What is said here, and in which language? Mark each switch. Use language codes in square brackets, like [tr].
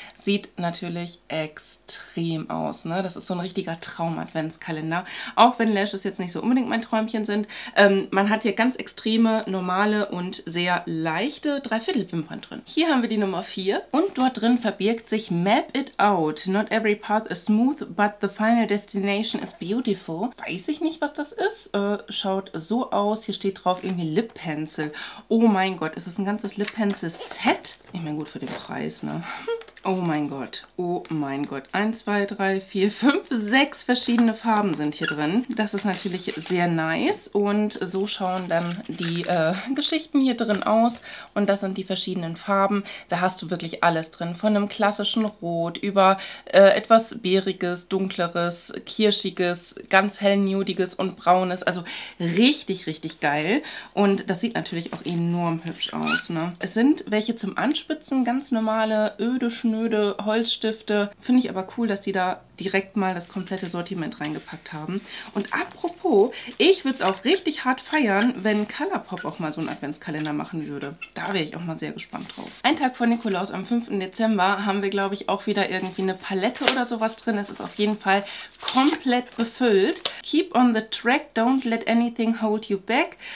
[de] Sieht natürlich extrem aus, ne? Das ist so ein richtiger Traum-Adventskalender. Auch wenn Lashes jetzt nicht so unbedingt mein Träumchen sind. Man hat hier ganz extreme, normale und sehr leichte Dreiviertelwimpern drin. Hier haben wir die Nummer 4. Und dort drin verbirgt sich Map It Out. [en] Not every path is smooth, but the final destination is beautiful. [de] Weiß ich nicht, was das ist. Schaut so aus. Hier steht drauf irgendwie Lip Pencil. Oh mein Gott, ist das ein ganzes Lip Pencil Set? Ich meine, gut für den Preis, ne? Oh mein Gott. Oh mein Gott. 1, 2, 3, 4, 5, 6 verschiedene Farben sind hier drin. Das ist natürlich sehr nice. Und so schauen dann die Geschichten hier drin aus. Und das sind die verschiedenen Farben. Da hast du wirklich alles drin. Von einem klassischen Rot über etwas beeriges, dunkleres, kirschiges, ganz hell nudiges und braunes. Also richtig, richtig geil. Und das sieht natürlich auch enorm hübsch aus, ne? Es sind welche zum Anspitzen, ganz normale, öde schnöde Holzstifte. Finde ich aber cool, dass die da direkt mal das komplette Sortiment reingepackt haben. Und apropos, ich würde es auch richtig hart feiern, wenn Colourpop auch mal so einen Adventskalender machen würde. Da wäre ich auch mal sehr gespannt drauf. Ein Tag vor Nikolaus am 5. Dezember haben wir, glaube ich, auch wieder irgendwie eine Palette oder sowas drin. Es ist auf jeden Fall komplett befüllt. [en] Keep on the track, don't let anything hold you back.